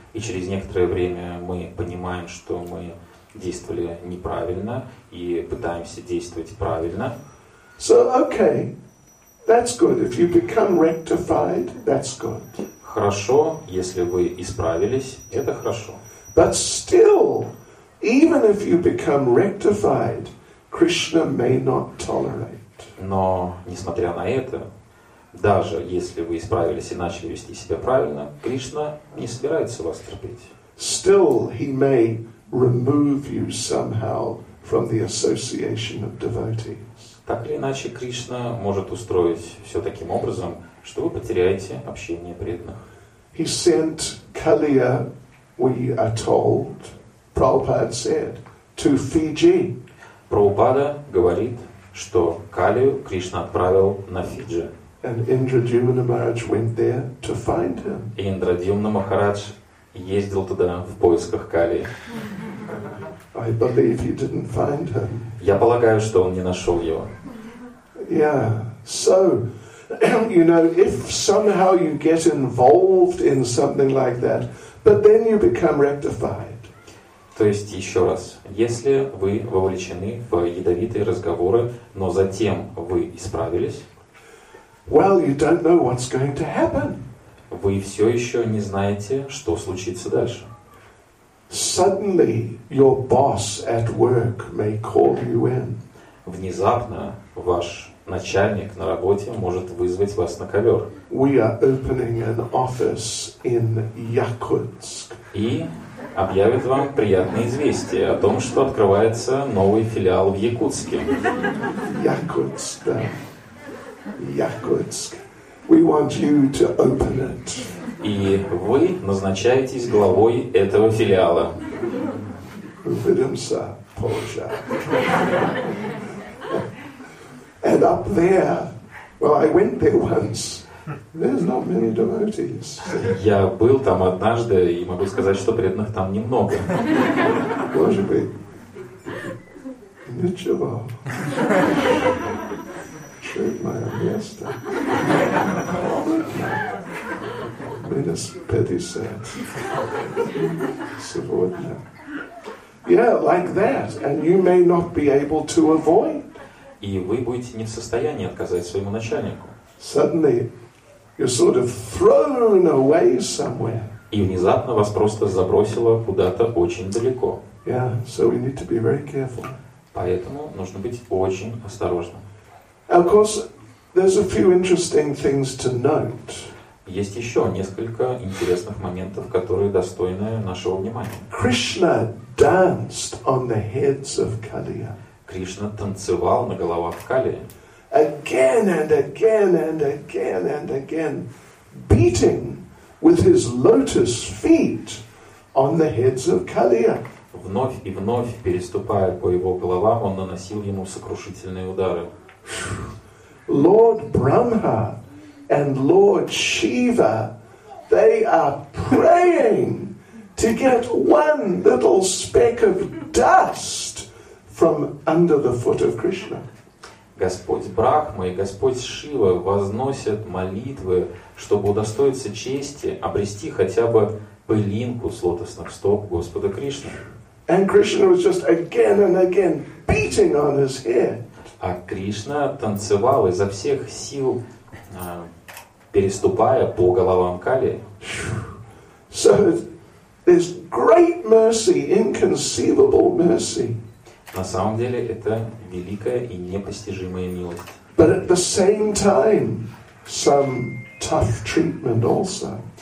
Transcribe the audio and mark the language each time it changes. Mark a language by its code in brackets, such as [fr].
[ru] И через некоторое время мы понимаем, что мы действовали неправильно и пытаемся действовать правильно. [en] So okay, that's good. If you become rectified, that's good. [ru] Хорошо, если вы исправились, это хорошо. [en] But still, even if you become rectified, Krishna may not tolerate. [ru] Но, несмотря на это, даже если вы исправились и начали вести себя правильно, Кришна не собирается вас терпеть. [en] Still, he may remove you somehow from the association of devotees. [ru] Так или иначе, Кришна может устроить все таким образом, что вы потеряете общение преданных. [en] He sent Kaliya, we are told, Prabhupada said, to Fiji. [ru] Прабхупада говорит, что Калию Кришна отправил на Фиджи. [en] And Indradyumna Maharaj went there to find him. [ru] И Индрадьюмна Махарадж ездил туда в поисках Калии. [en] I believe he didn't find him. [ru] Я полагаю, что он не нашел его. [en] Yeah. So, you know, if somehow you get involved in something like that, but then you become rectified. [ru] То есть еще раз, если вы вовлечены в ядовитые разговоры, но затем вы исправились. [en] Well, you don't know what's going to happen. [ru] Вы все еще не знаете, что случится дальше. [en] Suddenly, your boss at work may call you in. [ru] Внезапно ваш начальник на работе может вызвать вас на ковер. [en] We are opening an office in Якутск. [ru] И объявит вам приятное известие о том, что открывается новый филиал в Якутске. Якутск, да. Якутск. [en] We want you to open it. [ru] И вы назначаетесь главой этого филиала. Увидимся позже. [en] And up there, well, I went there once. There's not many devotees. [ru] Я был там однажды и могу сказать, что преданных там немного. Может быть, ничего. Это мое место. Минус 50. Сегодня. [en] Yeah, like that, and you may not be able to avoid. [ru] И вы будете не в состоянии отказать своему начальнику. [en] Suddenly, you're sort of thrown away somewhere. [ru] И внезапно вас просто забросило куда-то очень далеко. [en] Yeah, so we need to be very careful. [ru] Поэтому нужно быть очень осторожным. [en] Of course, there's a few interesting things to note. [ru] Есть еще несколько интересных моментов, которые достойны нашего внимания. [en] Krishna danced on the heads of Kaliya. [ru] Кришна танцевал на головах Калии. [en] Again and again and again and again, beating with his lotus feet on the heads of Kaliya. [ru] Вновь и вновь, переступая по его головам, он наносил ему сокрушительные удары. [en] Lord Brahma and Lord Shiva, they are praying to get one little speck of dust from under the foot of Krishna. [ru] Господь Брахма и Господь Шива возносят молитвы, чтобы удостоиться чести обрести хотя бы пылинку с лотосных стоп Господа Кришны. [en] And Krishna was just again and again beating on his head. [ru] А Кришна танцевал изо всех сил, переступая по головам Кали. [en] So there's great mercy, inconceivable mercy. [ru] На самом деле это великая и непостижимая милость. [en] But at the same time, some tough treatment also.